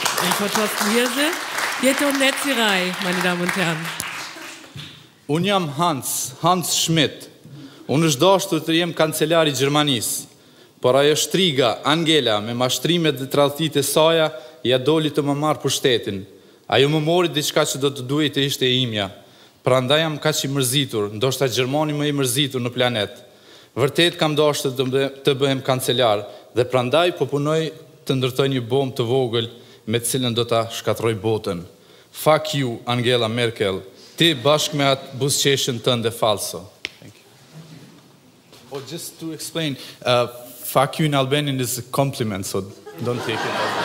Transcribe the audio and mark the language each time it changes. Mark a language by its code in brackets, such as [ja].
[sq] Und for Torsten Hirse, jetzt um Netzerei, meine Damen und Herren. Unjam Hans Schmidt. Unë është dashtu të jem kancelari Gjermanisë. Por ajo shtriga, Angela, me mashtrimet dhe tradhtit e saja, ja doli të më marë për shtetin. Ajo më mori diçka që do të duhej të ishte e imja. Pra nda jam kaq i mërzitur, ndoshta Gjermani më i mërzitur në planet. Vërtet kam dashtur të bëhem kancelar, dhe pra ndaj po punoj të ndërtoj një bombë të vogël me cilën do të shkatroj botën. [en] Fuck you, [sq] Angela Merkel, ti bashkë me atë busqeshën tënde falso. [en] Thank you. Oh, just to explain, fuck you in Albanian is a compliment, so don't take it.